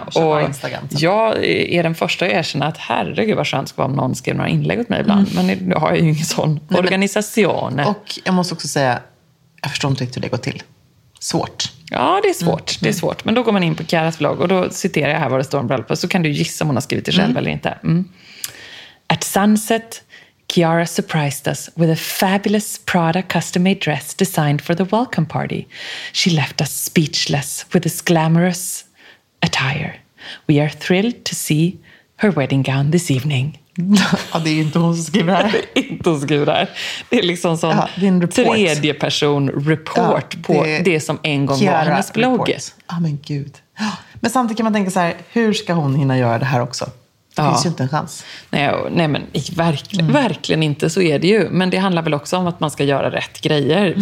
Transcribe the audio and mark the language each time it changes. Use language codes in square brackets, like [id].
[sv] Och jag är den första att erkänna att herregud vad skönt ska vara om någon skriver några inlägg åt mig ibland. Mm. Men nu har jag ju ingen sån organisation. Och jag måste också säga, jag förstår inte riktigt hur det går till. Svårt. Ja, det är svårt. Mm. Det är svårt. Men då går man in på Kiaras vlogg och då citerar jag här vad det står om bröllopet. Så kan du gissa om hon har skrivit det själv eller inte. Mm. [en] At sunset, Kiara surprised us with a fabulous Prada custom-made dress designed for the welcome party. She left us speechless with this glamorous attire. We are thrilled to see her wedding gown this evening. [sv] Ja, det är inte hon som skriver här. Det är liksom sån, ja, det är en tredje person report, ja, på det som en gång Kiara var hennes blogg. Ja, men gud. Men samtidigt kan man tänka så här, hur ska hon hinna göra det här också? Det finns ju inte en chans. Nej men verkligen inte, så är det ju. Men det handlar väl också om att man ska göra rätt grejer. Mm.